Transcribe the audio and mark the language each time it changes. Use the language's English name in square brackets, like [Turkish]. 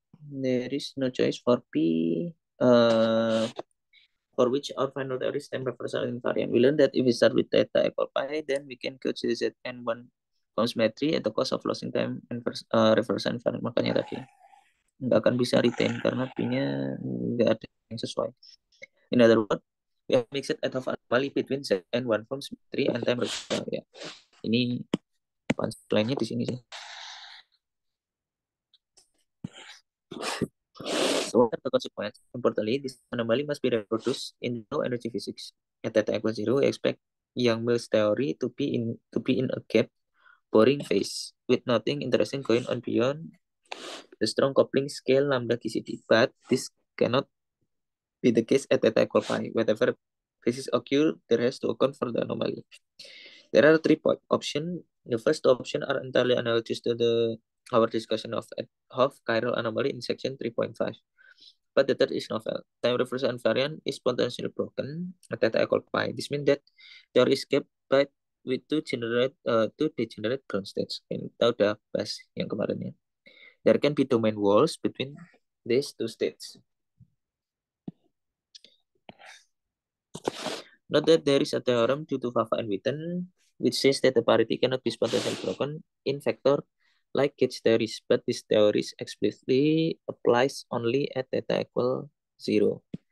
[English] There is no choice for P. For which our final theory is time reversal invariant. We learned that if we start with theta equal pi, then we can go to the Zn1 symmetry at the cost of losing time and reversal invariant. [Indonesian] Makanya tadi nggak akan bisa retain karena P-nya nggak ada yang sesuai. [English] In other words, we have mixed at of anomaly between Zn1 symmetry and time reversal. Ya. [Indonesian] Ini punchline-nya di sini sih. [English] So, the consequence, importantly, this anomaly must be reproduced in low energy physics. At theta equals zero, we expect Young-Mills theory to be in a gap boring phase with nothing interesting going on beyond the strong coupling scale lambda GCD. But this cannot be the case at theta equal pi. Whatever phases occur, there has to account for the anomaly. There are three options. The first option are entirely analogous to the our discussion of ad hoc chiral anomaly in section 3.5. But the third is novel. Time reversal invariant is potentially broken at theta equal pi. This means that theory is kept by with two degenerate ground states. [Indonesian] Ini kita udah bahas yang kemarin ya. [English] There can be domain walls between these two states. Note that there is a theorem due to Fava and Witten which says that the parity cannot be spontaneously broken in vector like gauge theories, but this theory explicitly applies only at theta equal zero.